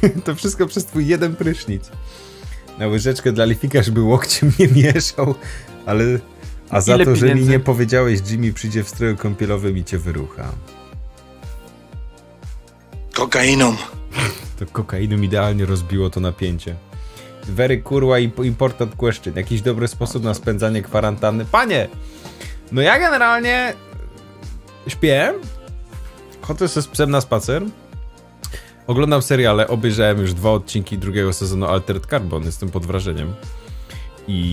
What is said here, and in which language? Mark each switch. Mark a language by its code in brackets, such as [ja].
[pl] To wszystko przez twój jeden prysznic. Na łyżeczkę dla Lifika, żeby łokciem nie mieszał, ale... A za to, pieniędzy? Że mi nie powiedziałeś, Jimmy przyjdzie w stroju kąpielowym i cię wyrucha. Kokainą. To kokainą idealnie rozbiło to napięcie. [en] Very kurwa important question. [pl] Jakiś dobry sposób na spędzanie kwarantanny? Panie! No ja generalnie śpię. Chodzę sobie z psem na spacer. Oglądam seriale. Obejrzałem już 2 odcinki drugiego sezonu Altered Carbon. Jestem pod wrażeniem. I...